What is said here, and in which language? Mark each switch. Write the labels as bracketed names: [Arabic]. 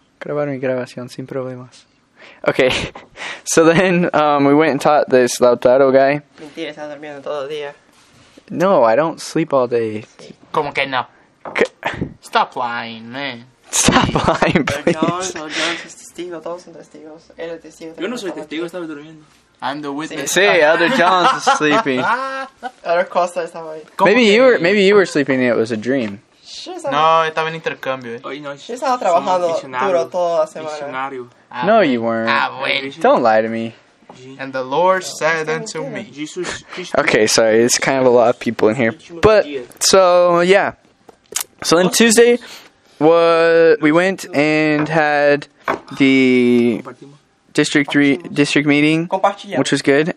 [Spanish] Grabar mi grabación sin problemas. [English] Okay, so then we went and taught this Lautaro guy. [Spanish] Mentira, está durmiendo todo el día. [English] No, I don't sleep all day. [Spanish] ¿Cómo que no? [English] Stop lying, man. Stop lying, please. [Spanish] John es testigo. Todos son testigos. Él es testigo. Yo no soy testigo. Estaba durmiendo. [English] I'm the witness. Sí, other John's sleeping. [Spanish] Other Costa estaba ahí. [English] Maybe you were sleeping and it was a dream. [Spanish] No, estaba en intercambio. Estaba trabajando duro toda la semana. [English] No, you weren't. Don't lie to me. And the Lord said unto me. Okay, sorry, it's kind of a lot of people in here. But, so, yeah. So then Tuesday, we went and had the district meeting, which was good.